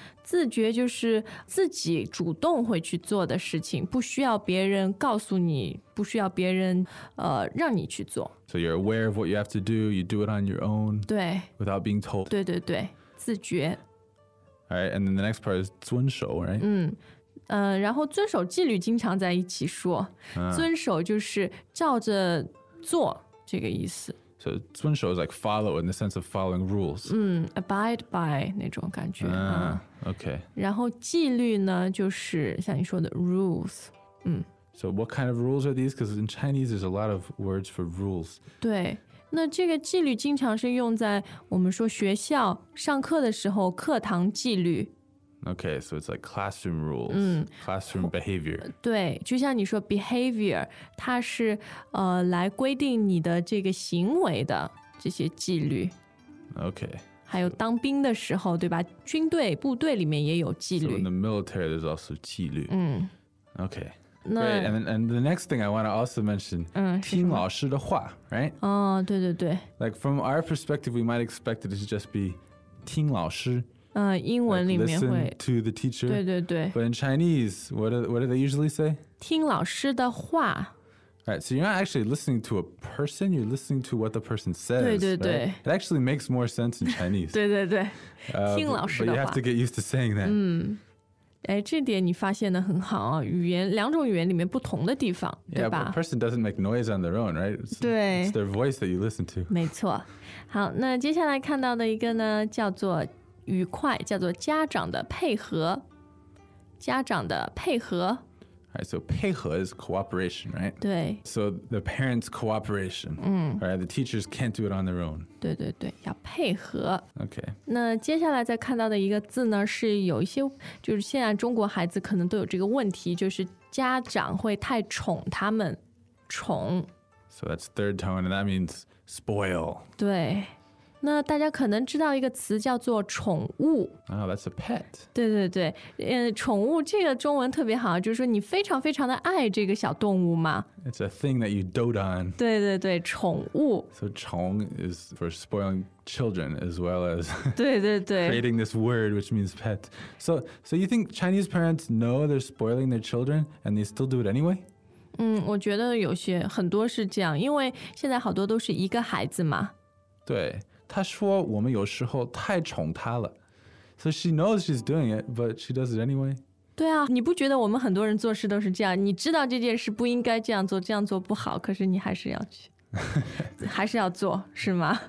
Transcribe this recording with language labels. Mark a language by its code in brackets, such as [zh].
[zh] 自觉就是自己主动会去做的事情，不需要别人告诉你，不需要别人让你去做。 [en] So you're aware of what you have to do, you do it on your own. [zh] 对。 [en] Without being told. [zh] 对对对，自觉。 [en] All All right, and then the next part is 遵守, right? [zh] 然后遵守纪律经常在一起说。遵守就是照着做这个意思。 [en] So 遵守 is like follow in the sense of following rules. Abide by [zh] 那种感觉。 [en] Okay. [zh] 然后纪律呢就是像你说的 rules。 [en] So what kind of rules are these? Because in Chinese there's a lot of words for rules. [zh] 对。那这个纪律经常是用在我们说学校上课的时候课堂纪律。 [en] Okay, so it's like classroom rules, classroom behavior. [zh] 对,就像你说 behavior, 它是来规定你的这个行为的这些纪律。 [en] Okay. [zh] 还有当兵的时候,对吧? 军队,部队里面也有纪律。 [en] So in the military, there's also 纪律。Okay. [zh] 那, [en] great, and the next thing I want to also mention, 听老师的话, right? [zh] 哦,对对对。 [en] Like from our perspective, we might expect it to just be 听老师。 [zh] 英文里面会 [en] listen to the teacher. [zh] 对对对。 [en] But in Chinese, what do they usually say? [zh] 听老师的话。 [en] Right, so you're not actually listening to a person, you're listening to what the person says. [zh] 对对对。 [en] Right? It actually makes more sense in Chinese. [zh] 对对对。听老师的话。 [en] But you have to get used to saying that. [zh] 哎，这点你发现的很好啊，语言，两种语言里面不同的地方，对吧？ [en] Yeah, but a person doesn't make noise on their own, right? It's, [zh] 对。 [en] It's their voice that you listen to. [zh] 没错。好，那接下来看到的一个呢，叫做愉快，叫做家长的配合，家长的配合。 [en] Right, so 配合 is cooperation, right? [zh] 对。 [en] So the parents' cooperation, right? The teachers can't do it on their own. [zh] 对对对，要配合。 [en] Okay. [zh] 那接下来再看到的一个字呢，是有一些，就是现在中国孩子可能都有这个问题，就是家长会太宠他们，宠。 [en] So that's third tone, and that means spoil. [zh] 对。那大家可能知道一个词叫做宠物。 [en] Oh, that's a pet. [zh] 对对对，宠物这个中文特别好，就是说你非常非常的爱这个小动物嘛。 [en] It's a thing that you dote on. [zh] 对对对，宠物。 [en] So 宠 is for spoiling children as well as [zh] 对对对 [en] creating this word which means pet. So you think Chinese parents know they're spoiling their children and they still do it anyway? [zh] 我觉得有些很多是这样，因为现在好多都是一个孩子嘛。对。他说我们有时候太宠他了。 [en] So she knows she's doing it, but she does it anyway. [zh] 对啊，你不觉得我们很多人做事都是这样，你知道这件事不应该这样做，这样做不好，可是你还是要去，还是要做，是吗？